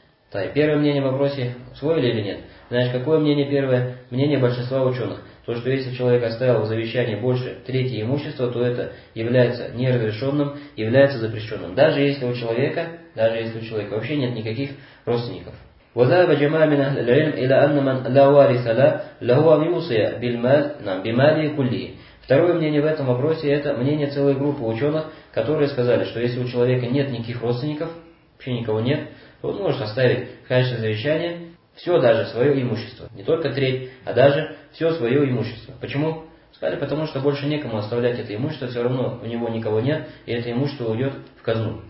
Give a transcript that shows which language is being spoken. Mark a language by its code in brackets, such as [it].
[ru] Так, первое мнение в вопросе, усвоили или нет? Значит, какое мнение первое? Мнение большинства ученых. То, что если человек оставил в завещании больше трети имущества, то это является неразрешенным, является запрещенным. Даже если у человека вообще нет никаких родственников. [ar] وذهب جماعة من أهل العلم إلى أن من لا وارث له لهو يوصي بالمال نعم بماله كله. [ru] Второе мнение в этом вопросе – это мнение целой группы ученых, которые сказали, что если у человека нет никаких родственников, вообще никого нет, то он может оставить в качестве завещания все даже свое имущество. Не только треть, а даже все свое имущество. Почему? Сказали, потому что больше некому оставлять это имущество, все равно у него никого нет, и это имущество уйдет в казну.